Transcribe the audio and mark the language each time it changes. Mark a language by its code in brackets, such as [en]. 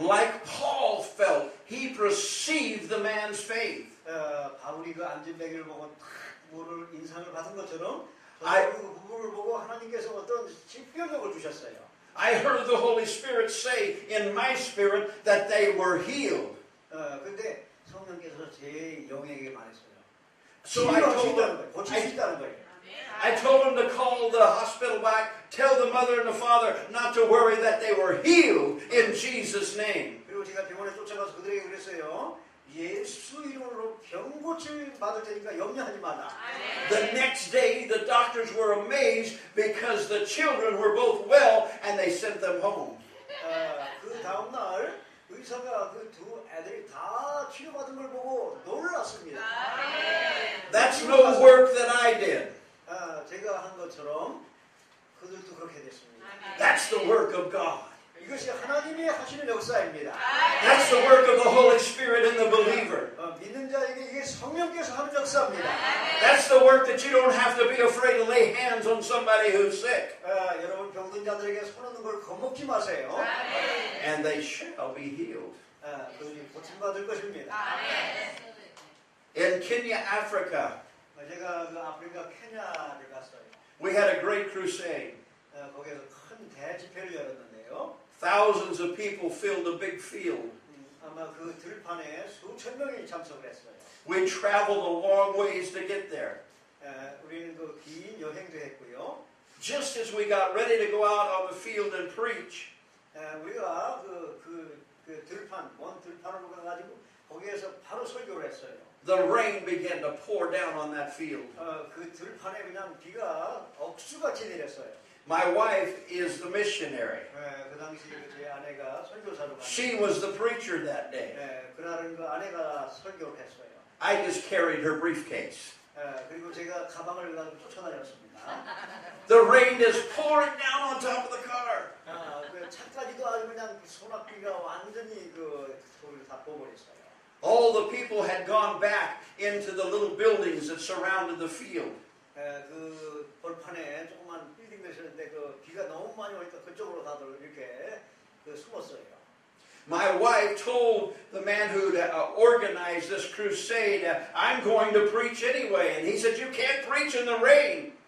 [en] Like Paul felt, he perceived the man's faith. [ko] 바울이 그 앉은뱅이를 보고 탁 인상을 받은 것처럼 저도 그 부부를 보고 하나님께서 어떤 집결력을 주셨어요. [en] I heard the Holy Spirit say in my spirit that they were healed. [ko] 근데 성령께서 제 영에게 말했어요. [en] So I told him, [ko] 고치시다는 거예요. [en] I told him to call the hospital back, tell the mother and the father not to worry that they were healed in Jesus' name. [ko] 그리고 제가 병원에 쫓아가서 그들에게 그랬어요. 예수 이름으로 병고침 받을 테니까 염려하지 마라. [en] The next day, the doctors were amazed because the children were both well and they sent them home. [ko] 그 다음날 의사가 그 두 애들이 다 치료받은 걸 보고 놀랐습니다. [en] That's no work that I did. [ko] 제가 한 것처럼 그들도 그렇게 됐습니다. [en] That's the work of God. [ko] 이것이 하나님이 하시는 역사입니다. [en] That's the work of the Holy Spirit in the believer. [ko] 믿는 자에게 이게 성령께서 하는 역사입니다. [en] That's the work that you don't have to be afraid to lay hands on somebody who's sick. [ko] 여러분 병든 자들에게 손 얹는 걸 겁먹지 마세요. [en] And they shall be healed. [ko] 그들이 고침 받을 것입니다. [en] In Kenya, Africa. [ko] 제가 그 아프리카 케냐를 갔어요. [en] We had a great crusade. [ko] 거기에서 큰 대집회를 열었는데요. [en] Thousands of people filled the big field. [ko] 아마 그 들판에 수천 명이 참석을 했어요. [en] We traveled a long ways to get there. [ko] 우리는 그 긴 여행도 했고요. [en] Just as we got ready to go out on the field and preach. [ko] 우리가 그 들판, 먼 들판으로 가가지고 거기에서 바로 설교를 했어요. [en] The rain began to pour down on that field. [ko] 그 들판에 그냥 비가 억수같이 내렸어요. [en] My wife is the missionary. [ko] 그 당시 제 아내가 설교사로 [en] She was the preacher that day. [ko] 그날은 그 아내가 설교를 했어요. [en] I just carried her briefcase. [ko] 그리고 제가 가방을 가지고 쫓아다녔습니다. [en] The rain is pouring down on top of the car. [ko] 그 차까지도 아주 그냥 소나기가 완전히 그 돌을 다 뽑아버렸어요. [en] All the people had gone back into the little buildings that surrounded the field. [ko] 그 벌판에 조그만 빌딩 내셨는데 그 비가 너무 많이 오니까 그쪽으로 다들 이렇게 그 숨었어요. [en] My wife told the man who organized this crusade, I'm going to preach anyway. And he said, you can't preach in the rain.